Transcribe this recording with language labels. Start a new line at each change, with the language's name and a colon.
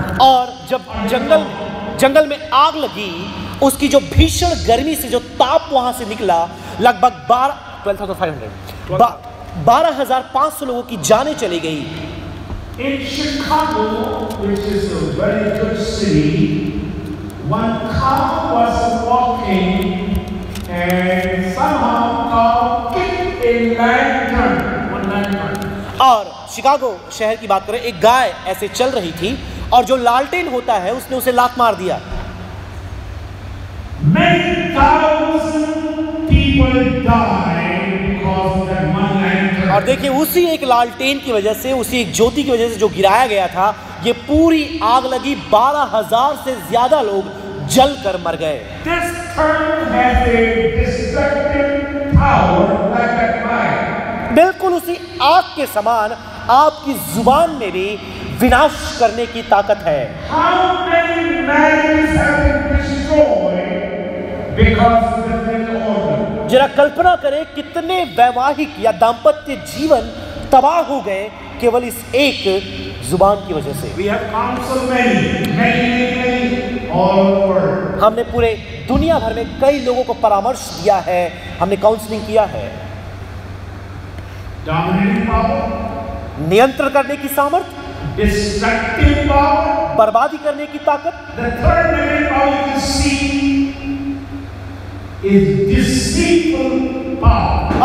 Hindi: और जब जंगल में आग लगी, उसकी जो भीषण गर्मी से जो ताप वहां से निकला, लगभग 12,500 लोगों की जाने चली गई।
English: In Chicago, which is a very good city, one cow was walking and somehow cow kicked a lantern.
Hindi: और शिकागो शहर की बात करें, एक गाय ऐसे चल रही थी और जो लालटेन होता है उसने उसे लात मार दिया।
English: Many thousand people died because of that one lantern.
Hindi: और देखिए उसी एक लालटेन की वजह से, उसी एक ज्योति की वजह से जो गिराया गया था, ये पूरी आग लगी, 12,000 से ज्यादा लोग जल कर मर गए।
English: This tongue has a destructive power like fire.
Hindi: बिल्कुल उसी आग के समान आपकी जुबान में भी विनाश करने की ताकत है।
English: How many marriages have been destroyed because of the order?
Hindi: जरा कल्पना करें कितने वैवाहिक या दाम्पत्य जीवन तबाह हो गए केवल इस एक जुबान की वजह से।
English: We have counseled many all over.
Hindi: हमने पूरे दुनिया भर में कई लोगों को परामर्श दिया है, हमने काउंसलिंग किया है।
English: Dominating power.
Hindi: नियंत्रण करने की सामर्थ्य,
English: destructive power,
Hindi: बर्बादी करने की ताकत,
English: the third divinity power you see is deceitful power,